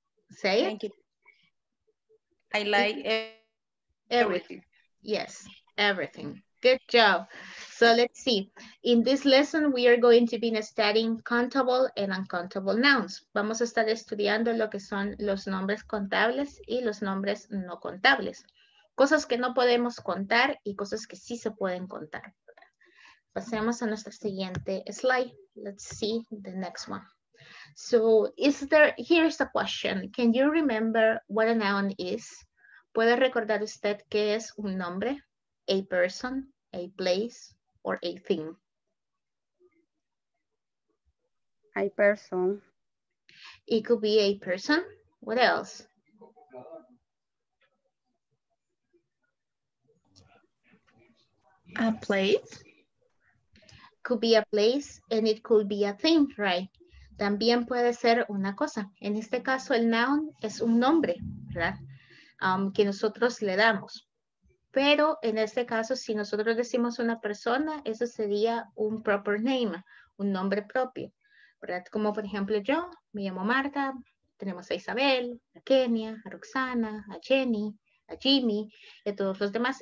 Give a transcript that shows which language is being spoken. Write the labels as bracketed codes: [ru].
[en] Say it. Thank you. I like everything. Yes, everything. Good job. So let's see. In this lesson, we are going to be studying countable and uncountable nouns. [es] Vamos a estar estudiando lo que son los nombres contables y los nombres no contables. Cosas que no podemos contar y cosas que sí se pueden contar. Pasemos a nuestra siguiente slide. [en] Let's see the next one. So here's the question. Can you remember what a noun is? [es] ¿Puede recordar usted qué es un nombre? [en] A person, a place, or a thing? A person. It could be a person. What else? A place. Could be a place and it could be a thing, right? [es] También puede ser una cosa. En este caso, el noun es un nombre, ¿verdad? Que nosotros le damos. Pero en este caso, si nosotros decimos una persona, eso sería un proper name, un nombre propio, ¿verdad? Como por ejemplo yo, me llamo Marta, tenemos a Isabel, a Kenia, a Roxana, a Jenny, a Jimmy, y a todos los demás.